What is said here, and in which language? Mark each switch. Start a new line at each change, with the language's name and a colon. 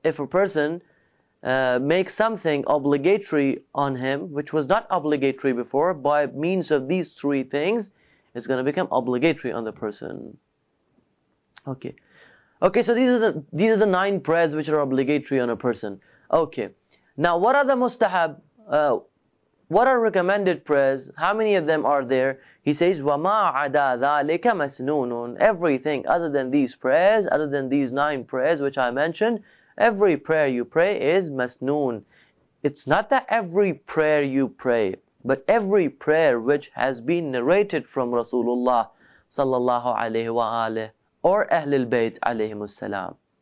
English: If a person makes something obligatory on him, which was not obligatory before, by means of these three things, it's going to become obligatory on the person. Okay, so these are the nine prayers which are obligatory on a person. Okay. Now, what are the mustahab? What are recommended prayers? How many of them are there? He says,
Arabic: وَمَا عَدَى ذَٰلِكَ مَسْنُونٌ.
English: Everything other than these prayers, other than these nine prayers which I mentioned, every prayer you pray is masnoon. It's not that every prayer you pray, but every prayer which has been narrated from Rasulullah sallallahu alayhi wa alayhi, or Ahlul Bayt alayhimus salam.